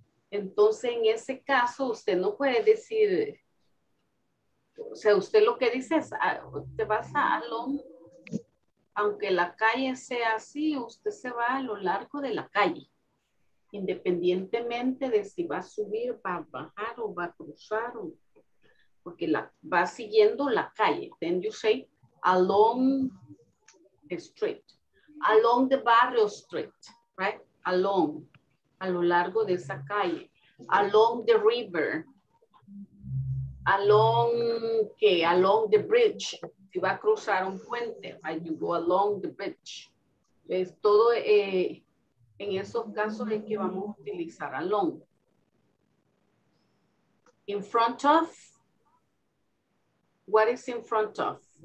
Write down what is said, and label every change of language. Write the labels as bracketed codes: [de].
[es] Entonces, en ese caso, usted no puede decir, o sea, usted lo que dice es, te vas a along, aunque la calle sea así, usted se va a lo largo de la calle, independientemente de si va a subir, va a bajar o va a cruzar, porque la, va siguiendo la calle. [en] Then you say along the street, along the barrio street, right? [es] Along, a lo largo de esa calle, [en] along the river, [es] along, ¿qué? [en] Along the bridge, [es] si va a cruzar un puente, right? [en] You go along the bridge. [es] Es todo, en esos casos es que vamos a utilizar along. [en] In front of, what is in front of?